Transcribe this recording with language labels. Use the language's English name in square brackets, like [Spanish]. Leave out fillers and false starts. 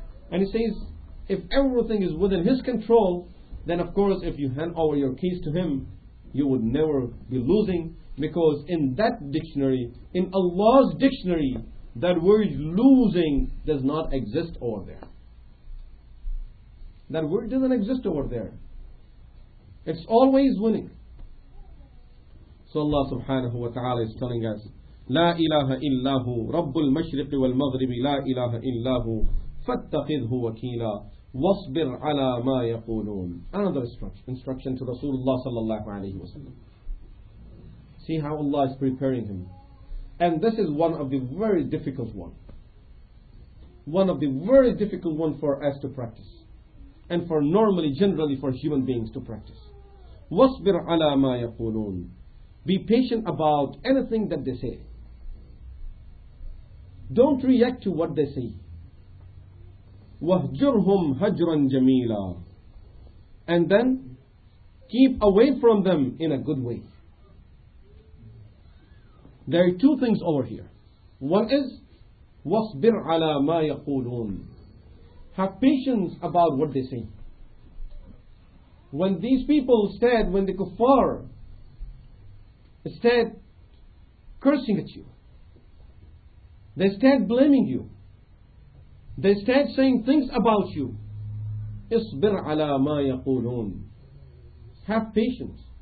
[English] And He says, if everything is within His control, then of course, if you hand over your case to Him, you would never be losing. Because in that dictionary, in Allah's dictionary, that word losing does not exist over there. That word doesn't exist over there. It's always winning. So Allah subhanahu wa ta'ala is telling us, [Arabic] لا إله إلا هو رب المشرق والمغرب لا إله إلا هو فاتخذه وكيلا واصبر على ما يقولون. [English] Another instruction to Rasulullah sallallahu alayhi wa sallam. See how Allah is preparing him. And this is one of the very difficult ones. One of the very difficult ones for us to practice. And for normally, generally, for human beings to practice. [Arabic] وَاصْبِرْ عَلَى مَا يَقُولُونَ. [English] Be patient about anything that they say. Don't react to what they say. [Arabic] وَهْجُرْهُمْ هَجْرًا جَمِيلًا. [English] And then, keep away from them in a good way. There are two things over here. One is, [Arabic] وَاصْبِرْ عَلَى مَا يَقُولُونَ. [English] Have patience about what they say. When these people said, when the kuffar said cursing at you, they said blaming you, they said saying things about you, [Arabic] اصبر على ما يقولون. [English] Have patience.